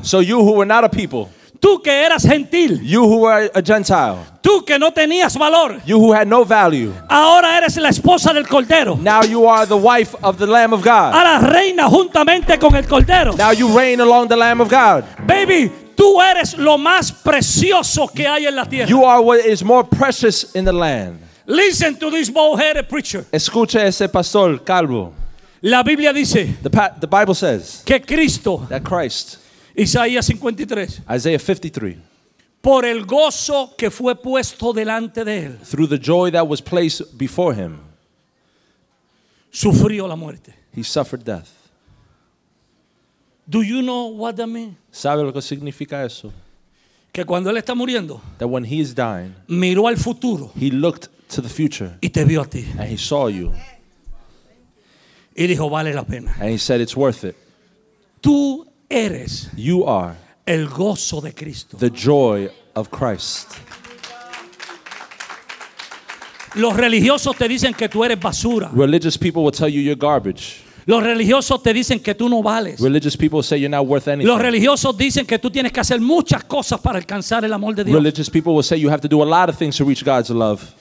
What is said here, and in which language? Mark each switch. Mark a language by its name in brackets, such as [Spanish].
[English] so you who were not a people, [Spanish] tú que eras gentil, [English] you who were a Gentile, [Spanish] tú que no tenías valor, [English] you who had no value, [Spanish] ahora eres la esposa del Cordero, [English] now you are the wife of the Lamb of God, [Spanish] ahora reina juntamente con el Cordero, [English] now you reign along the Lamb of God. [Spanish] Baby, tú eres lo más precioso que hay en la tierra. [English] You are what is more precious in the land. Listen to this bald-headed preacher. [Spanish] Escucha ese pastor calvo. La Biblia dice, [English] the Bible says, [Spanish] que Cristo, [English] that Christ, [Spanish] Isaías 53, [English] Isaiah 53, [Spanish] por el gozo que fue puesto delante de él, [English] through the joy that was placed before him, [Spanish] sufrió la muerte, [English] he suffered death. Do you know what that means? [Spanish] ¿Sabe lo que significa eso? Que cuando él está muriendo, [English] that when he is dying, [Spanish] miró al futuro, [English] he looked to the future, [Spanish] y te vio a ti, [English] and he saw you, [Spanish] y dijo vale la pena, [English] and he said it's worth it. [Spanish] Tú eres, [English] you are, [Spanish] el gozo de Cristo, [English] the joy of Christ. [Spanish] Los religiosos te dicen que tú eres basura. [English] Religious people will tell you you're garbage. [Spanish] Los religiosos te dicen que tú no vales. [English] Religious people say you're not worth anything. [Spanish] Los religiosos dicen que tú tienes que hacer muchas cosas para alcanzar el amor de Dios. [English] Religious people will say you have to do a lot of things to reach God's love.